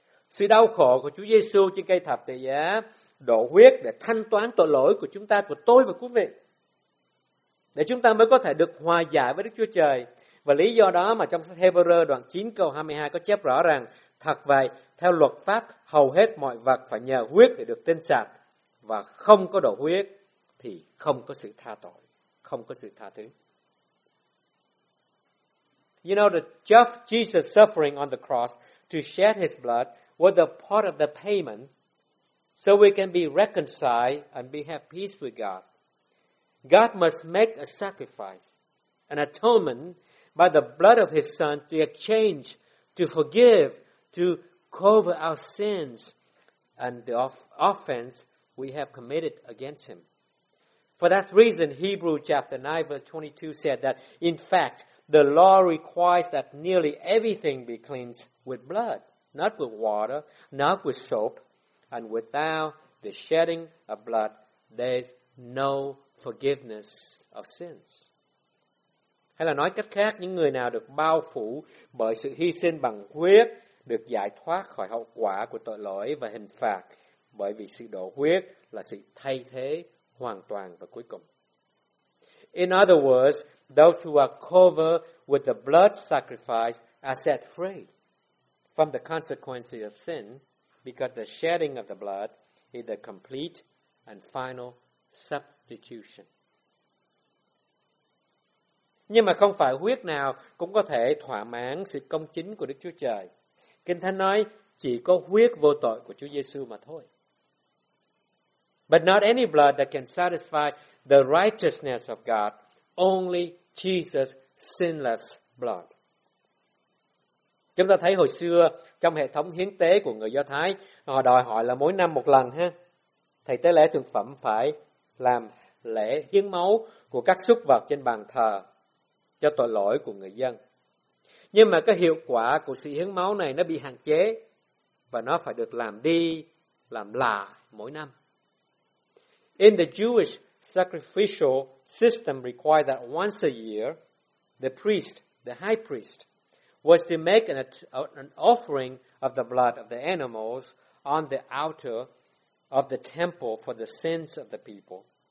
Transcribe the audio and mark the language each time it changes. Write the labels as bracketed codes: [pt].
[vi] Sự đau khổ của Chúa Giê-xu trên cây thập tự giá đổ huyết để thanh toán tội lỗi của chúng ta, của tôi và quý vị, để chúng ta mới có thể được hòa giải với Đức Chúa Trời. Và lý do đó mà trong sách Hebrew đoạn 9 câu 22 có chép rõ rằng, thật vậy, theo luật pháp, hầu hết mọi vật phải nhờ huyết để được tên sạch, và không có đổ huyết thì không có sự tha tội, không có sự tha thứ. [en] You know, the just Jesus suffering on the cross to shed his blood was a part of the payment so we can be reconciled and be have peace with God. God must make a sacrifice, an atonement by the blood of his son to exchange, to forgive, to cover our sins and the offense we have committed against him. For that reason, Hebrews chapter 9 verse 22 said that, in fact, the law requires that nearly everything be cleansed with blood. Not with water, not with soap, and without the shedding of blood, there's no forgiveness of sins. [vi] Hay là nói cách khác, những người nào được bao phủ bởi sự hy sinh bằng huyết, được giải thoát khỏi hậu quả của tội lỗi và hình phạt, bởi vì sự đổ huyết là sự thay thế hoàn toàn và cuối cùng. [en] In other words, those who are covered with the blood sacrifice are set free from the consequences of sin, because the shedding of the blood is the complete and final substitution. [vi] Nhưng mà không phải huyết nào cũng có thể thỏa mãn sự công chính của Đức Chúa Trời. Kinh Thánh nói chỉ có huyết vô tội của Chúa Giê-xu mà thôi. [en] But not any blood that can satisfy the righteousness of God, only Jesus' sinless blood. [vi] Chúng ta thấy hồi xưa trong hệ thống hiến tế của người Do Thái, họ đòi hỏi là mỗi năm một lần ha. Thầy tế lễ thực phẩm phải làm lễ hiến máu của các súc vật trên bàn thờ cho tội lỗi của người dân. Nhưng mà cái hiệu quả của sự hiến máu này nó bị hạn chế và nó phải được làm đi làm lại mỗi năm. [en] In the Jewish sacrificial system required that once a year the priest, the high priest, was to make an offering of the blood of the animals on the altar of the temple for the sins of the people.